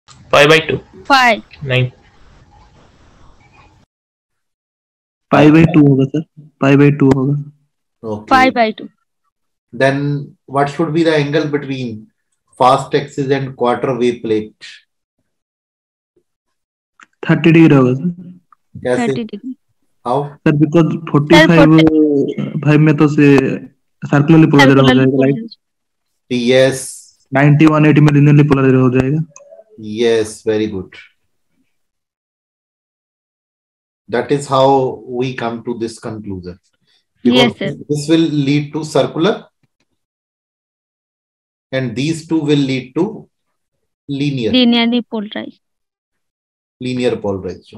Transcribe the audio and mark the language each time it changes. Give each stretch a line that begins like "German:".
English: Pi by 2. Pi. 9. Pi by 2
Hindi: होगा sir,
English: pi by 2 होगा. Okay. Pi by 2. Then what should be the angle between fast axis and quarter wave plate?
Hindi: 30 degree होगा sir. कैसे? 30
English: degree. How?
Hindi: Sir, because 45 में तो से circularly polarized हो जाएगा light.
English: Yes.
Hindi: 90-180 में linearly polarized हो जाएगा.
English: Yes, very good. That is how we come to this conclusion. Because yes, sir. This will lead to circular, and these two will lead to linearly polarized. Linear polarization.